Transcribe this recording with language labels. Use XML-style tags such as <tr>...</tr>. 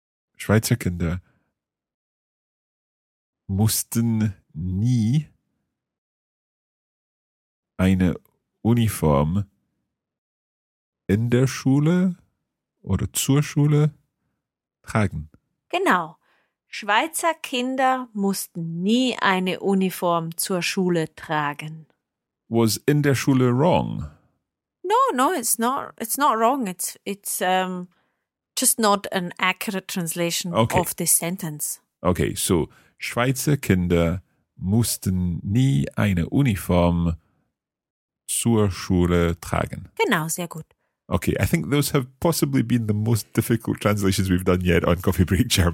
<de>Schweizer Kinder mussten nie eine Uniform in der Schule oder zur Schule tragen. Genau. Schweizer Kinder mussten nie eine Uniform zur Schule tragen.</de> <en>Was</en> <de>in der Schule</de> <en>wrong? No, it's not wrong. It's just not an accurate translation of this sentence. Okay, so</en> <de>Schweizer Kinder mussten nie eine Uniform zur Schule tragen. Genau, sehr gut.</de> <en>Okay, I think those have possibly been the most difficult translations we've done yet on Coffee Break German.</en>